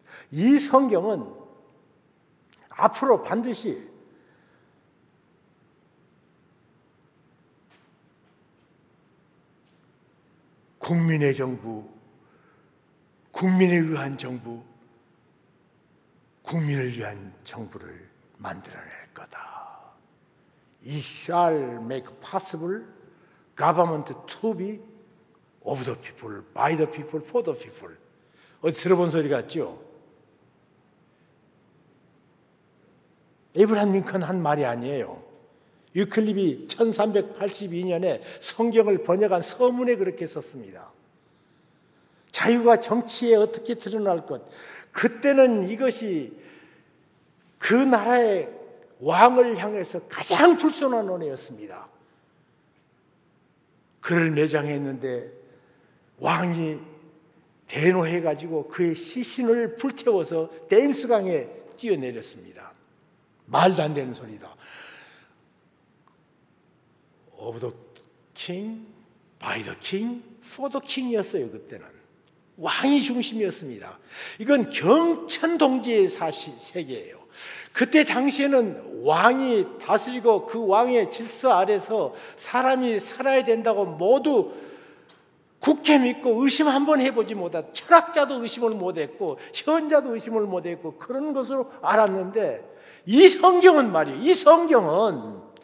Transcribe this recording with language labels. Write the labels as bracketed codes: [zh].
[ko] 이 성경은 앞으로 반드시 국민의 정부, 국민에 의한 정부, 국민을 위한 정부를 만들어낼 거다. [en] It shall make possible government to be of the people, by the people, for the people. [ko] 어디 들어본 소리 같죠? 에이브라함 링컨 한 말이 아니에요. 유클립이 1382년에 성경을 번역한 서문에 그렇게 썼습니다. 자유가 정치에 어떻게 드러날 것. 그때는 이것이 그 나라의 왕을 향해서 가장 불손한 언어였습니다. 그를 매장했는데 왕이 대노해가지고 그의 시신을 불태워서 댐스강에 뛰어내렸습니다. 말도 안 되는 소리다. [en] Of the king, by the king, for the king이었어요. [ko] 그때는 왕이 중심이었습니다. 이건 경천동지의 사실 세계예요. 그때 당시에는 왕이 다스리고 그 왕의 질서 아래서 사람이 살아야 된다고 모두 굳게 믿고 의심 한번 해보지 못하고 철학자도 의심을 못했고 현자도 의심을 못했고 그런 것으로 알았는데, 이 성경은 말이에요, 이 성경은,